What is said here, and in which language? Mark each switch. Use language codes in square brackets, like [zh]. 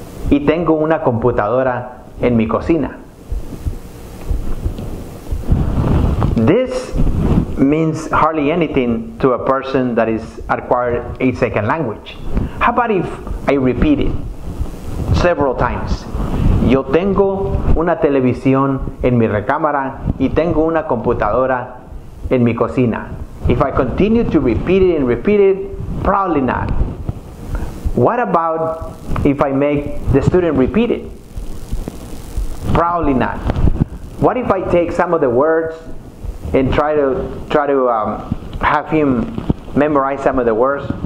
[es] Y tengo una computadora en mi cocina. [en] This means hardly anything to a person that is acquired a second language. How about if I repeat it several times? [es] Yo tengo una televisión en mi recámara y tengo una computadora en mi cocina. [en] If I continue to repeat it and repeat it, probably not. What about if I make the student repeat it? Probably not. What if I take some of the words and try to have him memorize some of the words?